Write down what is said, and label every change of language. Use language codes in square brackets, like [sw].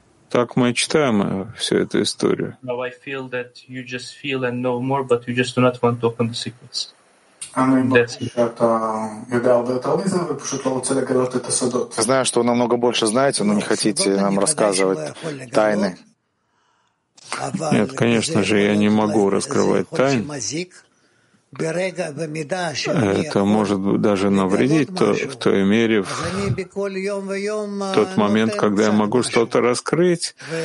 [ru] Так мы читаем всю эту историю. [en] Now I feel that you just feel and know more, but you just do not want to open the secrets. [ru] Знаю, что вы намного больше знаете, но не хотите нам рассказывать тайны. Нет, конечно же, я не могу раскрывать тайны. Это может даже навредить в той мере, в тот момент, когда я могу что-то раскрыть.